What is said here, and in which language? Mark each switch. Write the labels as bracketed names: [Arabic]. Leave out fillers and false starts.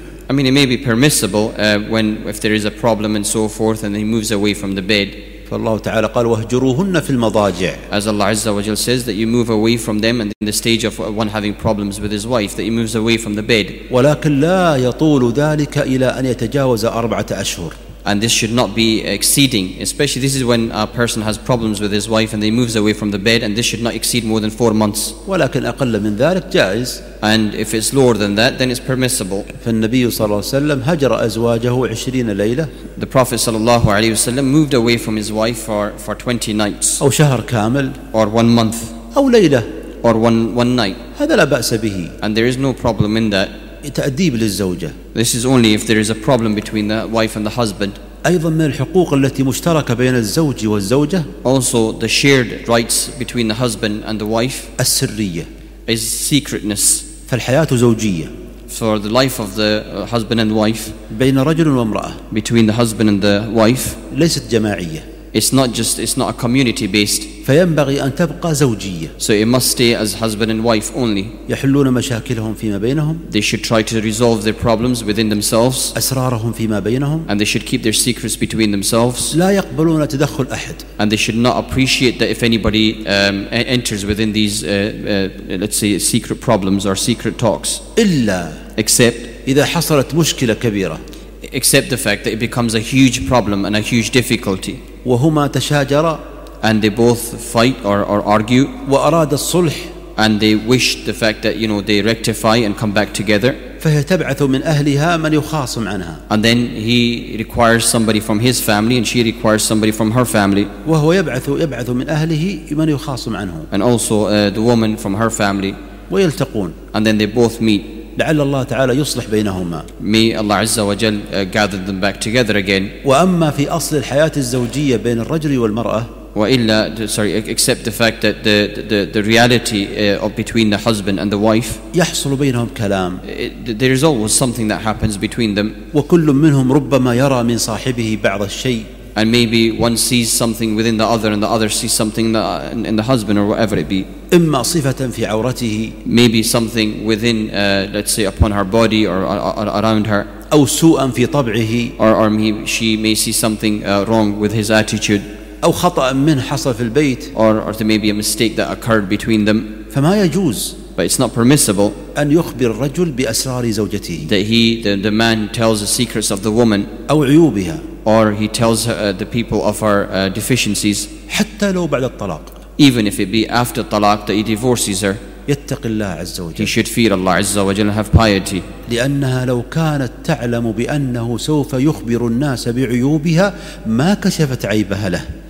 [English] I mean, it may be permissible when if there is a problem and so forth, and he moves away from the bed. [Arabic] فالله تعالى قال وهجروهن في المضاجع. [English] As Allah Azza wa Jalla says that you move away from them, and in the stage of one having problems with his wife, that he moves away from the bed. [Arabic] ولكن لا يطول ذلك إلى أن يتجاوز أربعة أشهر. [English] And this should not be exceeding, especially this is when a person has problems with his wife and they moves away from the bed, and this should not exceed more than 4 months. [Arabic] ولكن أقل من ذلك جائز. [English] And if it's lower than that, then it's permissible. [Arabic] فالنبي صلى الله عليه وسلم هجر أزواجه 20 ليلة. [English] The Prophet [Arabic] صلى الله عليه وسلم [English] moved away from his wife for 20 nights. [Arabic] أو شهر كامل. [English] Or 1 month. [Arabic] أو ليلة. [English] Or one night. [Arabic] هذا لا بأس به. [English] And there is no problem in that. [Arabic] تأديب للزوجة. [English] This is only if there is a problem between the wife and the husband. [Arabic] أيضا من الحقوق التي مشتركة بين الزوج والزوجة. [English] Also the shared rights between the husband and the wife. [Arabic] السرية. [English] Is secretness. [Arabic] فالحياة زوجية. [English] For the life of the husband and wife. [Arabic] بين رجل وامرأة. [English] Between the husband and the wife. [Arabic] ليست جماعية. [English] It's not a community based. [Arabic] فينبغي أن تبقى زوجية. [English] So it must stay as husband and wife only. [Arabic] يحلون مشاكلهم فيما بينهم. [English] They should try to resolve their problems within themselves. [Arabic] أسرارهم فيما بينهم. [English] And they should keep their secrets between themselves. [Arabic] لا يقبلون تدخل أحد. [English] And they should not appreciate that if anybody enters within these let's say secret problems or secret talks. [Arabic] إلا. [English] Except. [Arabic] إذا حصلت مشكلة كبيرة. [English] Except the fact that it becomes a huge problem and a huge difficulty. [Arabic] وهما تشاجرا. [English] And they both fight or argue. [Arabic] وأراد الصلح. [English] And they wish the fact that you know they rectify and come back together. [Arabic] فهي تبعث من أهلها من يخاصم عنها. [English] And then he requires somebody from his family and she requires somebody from her family. [Arabic] وهو يبعث من أهله من يخاصم عنه. [English] And also the woman from her family. [Arabic] ويلتقون. [English] And then they both meet. [Arabic] لعل الله تعالى يصلح بينهما. [English] May Allah Azza wa Jal gather them back together again. [Arabic] وأما في أصل الحياة الزوجية بين الرجل والمرأة. وإلا [English] sorry except the fact that the reality of between the husband and the wife. [Arabic] يحصل بينهم كلام. [English] There is always something that happens between them. [Arabic] وكل منهم ربما يرى من صاحبه بعض الشيء. [English] And maybe one sees something within the other, and the other sees something in the husband, or whatever it be. [Arabic] إما صفة في عورته. [English] Maybe something within, let's say, upon her body or around her. [Arabic] أو سوءا في طبعه. [English] Or she may see something wrong with his attitude. [Arabic] أو خطأ من حصل في البيت. [English] Or there may be a mistake that occurred between them. [Arabic] فما يجوز. [English] But it's not permissible. [Arabic] أن يخبر الرجل بأسرار زوجته. [English] That he, the man, tells the secrets of the woman. [Arabic] أو عيوبها. [English] Or he tells the people of our deficiencies. [Arabic] حتى لو بعد الطلاق. [English] Even if it be after طلاق that he divorces her. [Arabic] يتق الله عز وجل. [English] He should fear Allah [Arabic] عز وجل [English] and have piety. [Arabic] لأنها لو كانت تعلم بأنه سوف يخبر الناس بعيوبها ما كشفت عيبها له.